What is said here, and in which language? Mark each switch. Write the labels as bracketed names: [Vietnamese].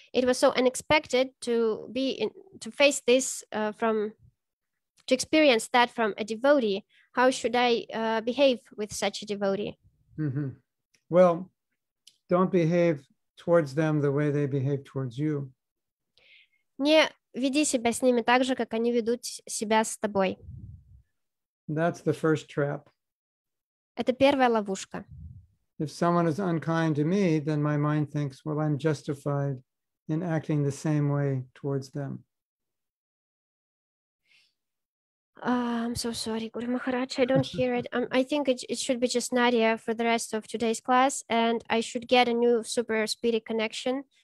[English] It was so unexpected to be to face this to experience that from a devotee. How should I behave with such a devotee? Mm-hmm. Well, don't behave towards them the way they behave towards you. [Russian] Не веди себя с ними так же, как они ведут себя с тобой. [English] That's the first trap. [Russian] Это первая ловушка. [English] If someone is unkind to me, then my mind thinks, well, I'm justified in acting the same way towards them. I'm so sorry, Guru Maharaj, I don't hear it. I think it should be just Nadia for the rest of today's class, and I should get a new super speedy connection.